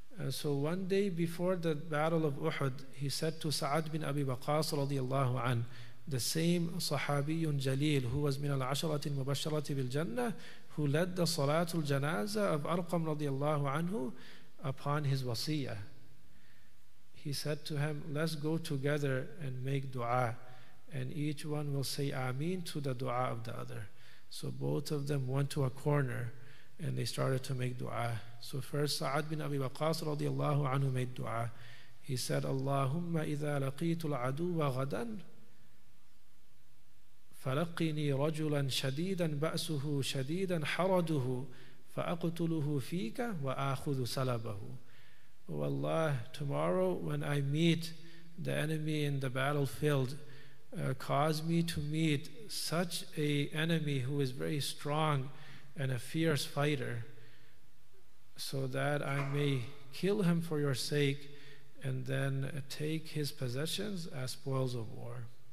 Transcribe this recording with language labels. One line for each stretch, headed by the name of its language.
English: So one day before the Battle of Uhud, he said to Sa'ad bin Abi Waqqas radiallahu an, the same Sahabiyun Jalil who was
Arabic: min al-ashrat al-mubasharati bil-jannah,
English: who led the Salatul Janaza of Arqam radiallahu anhu upon his wasiyah. He said to him, let's go together and make dua, and each one will say Ameen to the dua of the other. So both of them went to a corner and they started to make dua. So first Sa'ad bin Abi Waqqas radiallahu anhu made dua. He said,
Arabic: Allahumma idha laqitu al-aduwa ghadan فلقني رجلا شديدا بأسه شديدا حرده فأقتله فيك وأخذ سلبه.
English: Oh Allah, tomorrow when I meet the enemy in the battlefield, cause me to meet such a enemy who is very strong and a fierce fighter, so that I may kill him for your sake and then take his possessions as spoils of war.